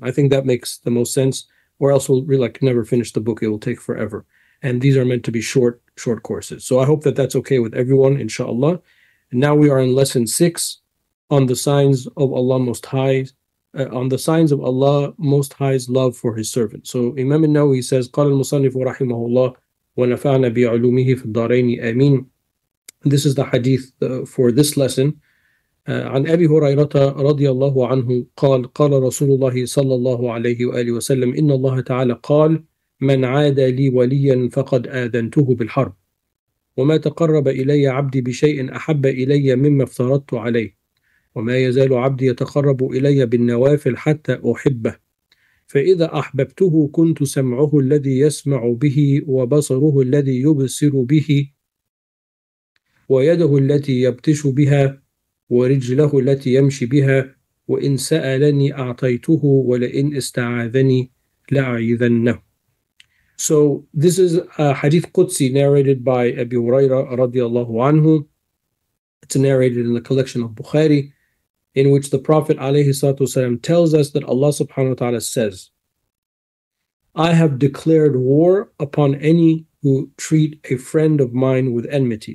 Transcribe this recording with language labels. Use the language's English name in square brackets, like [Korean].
[English] I think that makes the most sense, or else we'll really like never finish the book. It will take forever. And these are meant to be short courses. So I hope that that's okay with everyone, inshallah. And now we are in lesson six, on the signs of Allah Most High, on the signs of Allah Most High's love for His servant. So Imam al-Nawawi says, [Arabic] قَالَ الْمُصَنِّفُ رَحِمَهُ اللَّهُ وَنَفَعْنَا بِعُلُومِهِ فِي الدَّارَيْنِ آمِينَ. [English] This is the hadith for this lesson. [Arabic] عن أبي هريرة رضي الله عنه قال قال رسول الله صلى الله عليه وآله وسلم إن الله تعالى قال من عادى لي وليا فقد آذنته بالحرب وما تقرب إلي عبدي بشيء أحب إلي مما افترضت عليه وما يزال عبدي يتقرب إلي بالنوافل حتى أحبه فإذا أحببته كنت سمعه الذي يسمع به وبصره الذي يبصر به ويده التي يبطش بها ورجله التي يمشي بها وإن سألني أعطيته ولئن استعاذني لأعيذنه. [English] So this is a hadith Qudsi narrated by Abi Huraira radiallahu anhu. It's narrated in the collection of Bukhari, in which the Prophet alayhi salatu wasalam tells us that Allah subhanahu wa ta'ala says, I have declared war upon any who treat a friend of mine with enmity.